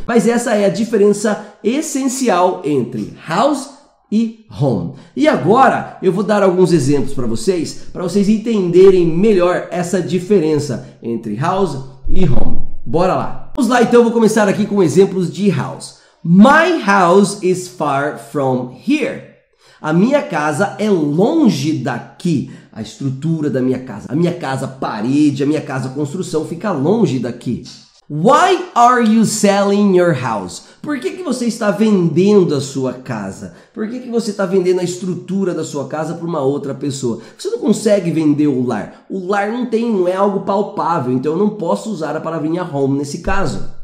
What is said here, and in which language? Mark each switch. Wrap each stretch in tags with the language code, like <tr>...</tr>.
<pt>Mas essa é a diferença essencial entre house e home. E agora eu vou dar alguns exemplos para vocês entenderem melhor essa diferença entre house e home. Bora lá. Vamos lá então, vou começar aqui com exemplos de house.</pt> <en>My house is far from here.</en> <pt>A minha casa é longe daqui. A estrutura da minha casa, a minha casa parede, a minha casa construção fica longe daqui.</pt> <en>Why are you selling your house?</en> <pt>Por que você está vendendo a sua casa? Por que você está vendendo a estrutura da sua casa para uma outra pessoa? Você não consegue vender o lar. O lar não é algo palpável, então eu não posso usar a palavrinha home nesse caso.</pt>